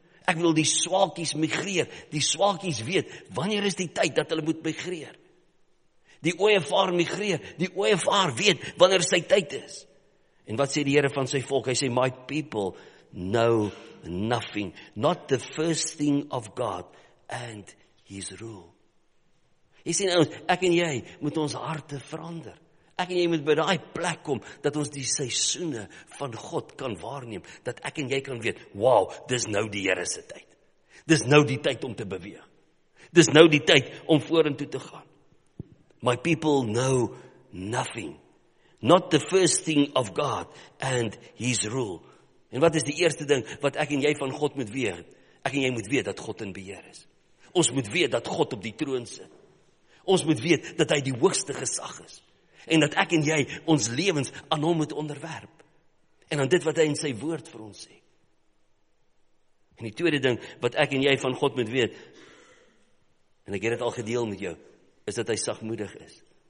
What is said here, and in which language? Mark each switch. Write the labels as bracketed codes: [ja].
[af] Ek wil die swaalkies migreer, die swaalkies weet, wanneer is die tyd dat hulle moet migreer. Die ooievaar migreer, die ooievaar weet wanneer sy tyd is. En wat sê die Here van sy volk? Hy sê, [en] my people know nothing, not the first thing of God and his rule. [af] Jy sê nou, ek en jy moet ons harte verander. Ek en jy moet by die plek kom, dat ons die seisoene van God kan waarneem, dat ek en jy kan weet, wow, dis nou die Here se tyd. Dis nou die tyd om te beweeg. Dis nou die tyd om vorentoe te gaan. [en] My people know nothing. Not the first thing of God and his rule. [af] En wat is die eerste ding wat ek en jy van God moet weet? Ek en jy moet weet dat God in beheer is. Ons moet weet dat God op die troon sit. Ons moet weet dat hy die hoogste gesag is. En dat ek en jy ons lewens aan hom moet onderwerp. En aan dit wat hy in sy woord vir ons sê. En die tweede ding wat ek en jy van God moet weet, en ek het dit al gedeel met jou, is dat hy sagmoedig is.